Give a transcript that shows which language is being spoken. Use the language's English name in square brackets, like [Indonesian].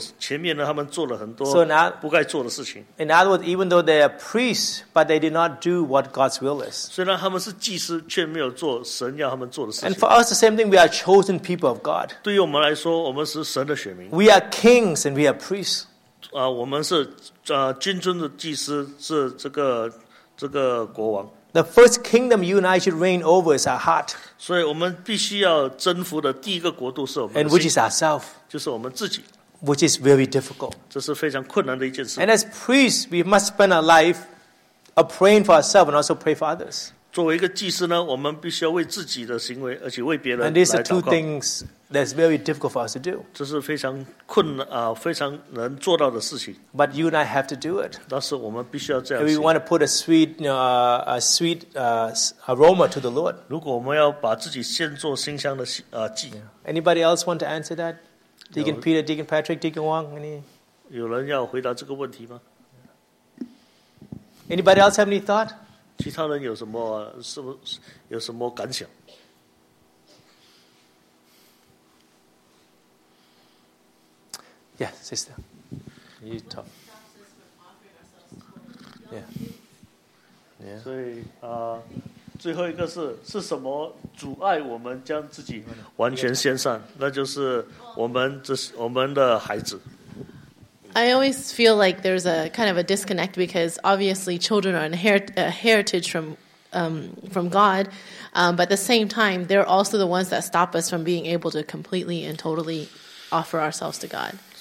[Chinese] 虽然他们是祭司，但是在这个圣所前面呢，他们做了很多不该做的事情。 [English] In other words, even though they are priests, but they did not do what God's will is. [Chinese] 虽然他们是祭司，却没有做神要他们做的事情。 [English] And for us, the same thing, we are chosen people of God. [Chinese] 对于我们来说，我们是神的选民。 [English] We are kings and we are priests. [Chinese] 我们是君尊的祭司，是这个国王。 [English] The first kingdom you and I should reign over is our heart. [Chinese] 所以我们必须要征服的第一个国度是我们的心, [English] and which is ourself. [Chinese] 就是我们自己, [English] which is very difficult. [Chinese] 这是非常困难的一件事。 [English] And as priests, we must spend our life praying for ourselves and also pray for others. [Chinese] 作为一个祭司呢, 我们必须要为自己的行为, 而且为别人来祷告。 [English] And these are two things that's very difficult for us to do. [Chinese] 这是非常困难, 非常能做到的事情。 [English] But you and I have to do it. [Chinese] 但是我们必须要这样行。 [English] If we want to put a sweet aroma to the Lord. [Chinese] 如果我们要把自己献作馨香的, [English] Anybody else want to answer that? Deacon Peter, Deacon Patrick, Deacon Wong, any? [Chinese] 有人要回答这个问题吗? [English] Anybody else have any thought? [Chinese] 其他人有什么感想? [English] Yeah, sister. You talk. Yeah. Yeah. [Chinese] 所以最后一个是什么阻碍我们将自己完全献上，那就是我们的孩子。 [English] I always feel like there's a kind of a disconnect because obviously children are a heritage from God, but at the same time, they're also the ones that stop us from being able to completely and totally offer ourselves to God.